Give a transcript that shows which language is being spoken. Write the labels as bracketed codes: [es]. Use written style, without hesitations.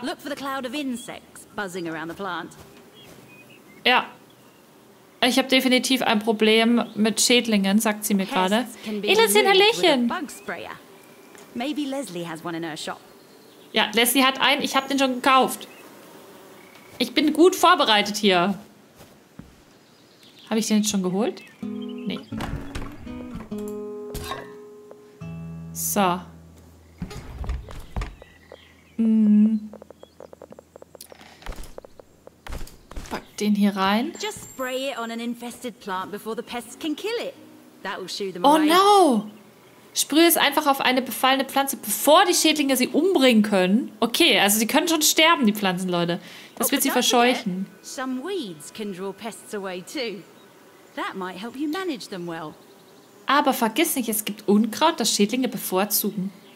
[en] Look for the cloud of insects buzzing around the plant. [de] Ja. Ich habe definitiv ein Problem mit Schädlingen, sagt sie mir gerade. Elisin, Hallöchen. [en] Maybe Leslie has one in her shop. [de] Ja, Leslie hat einen, ich habe den schon gekauft. Ich bin gut vorbereitet hier. Habe ich den jetzt schon geholt? Nee. So. Pack den hier rein. [en] Just spray it on an infested plant before the pests can kill it. That will shoo them away. Oh no! [de] Sprühe es einfach auf eine befallene Pflanze, bevor die Schädlinge sie umbringen können. Okay, also sie können schon sterben, die Pflanzen, Leute. Das wird sie verscheuchen. [en] Some weeds can draw pests away too. That might help you manage them well. [de] Aber vergiss nicht, es gibt Unkraut, das Schädlinge bevorzugen.